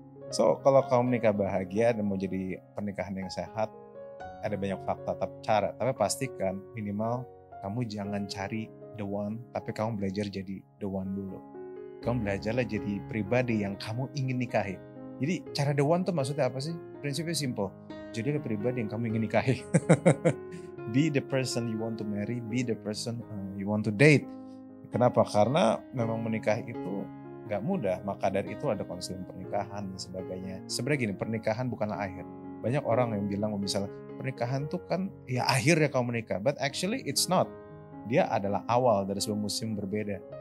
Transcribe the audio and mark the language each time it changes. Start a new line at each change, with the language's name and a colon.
Indonesian: So, kalau kamu menikah bahagia dan mau jadi pernikahan yang sehat, ada banyak fakta, tapi cara. Tapi pastikan minimal kamu jangan cari the one, tapi kamu belajar jadi the one dulu. Kamu belajarlah jadi pribadi yang kamu ingin nikahi. Jadi cara the one itu maksudnya apa sih? Prinsipnya simple, jadilah pribadi yang kamu ingin nikahi.
English: Be the person you want to marry, be the person you want to date.
Indonesian: Kenapa? Karena memang menikah itu gak mudah. Maka dari itu ada konseling pernikahan dan sebagainya. Sebenarnya gini, pernikahan bukanlah akhir. Banyak orang yang bilang misalnya, pernikahan itu kan ya akhirnya kamu menikah.
English: But actually it's not.
Indonesian: Dia adalah awal dari sebuah musim berbeda.